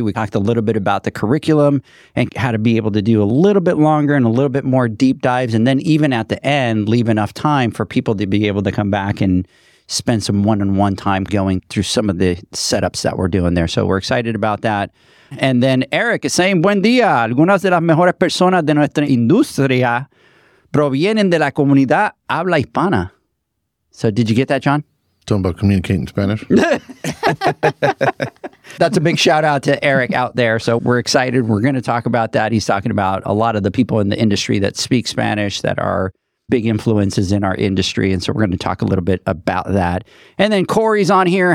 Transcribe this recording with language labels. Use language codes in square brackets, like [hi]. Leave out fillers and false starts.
[en] We talked a little bit about the curriculum and how to be able to do a little bit longer and a little bit more deep dives. And then even at the end, leave enough time for people to be able to come back and spend some one-on-one time going through some of the setups that we're doing there. So we're excited about that. And then Eric is saying, [es] buen día. Algunas de las mejores personas de nuestra industria provienen de la comunidad habla hispana. [en] So did you get that, John? Talking about communicating Spanish. That's a big shout out to Eric out there. So we're excited. We're going to talk about that. He's talking about a lot of the people in the industry that speak Spanish that are big influences in our industry. And so we're going to talk a little bit about that. And then Corey's on here.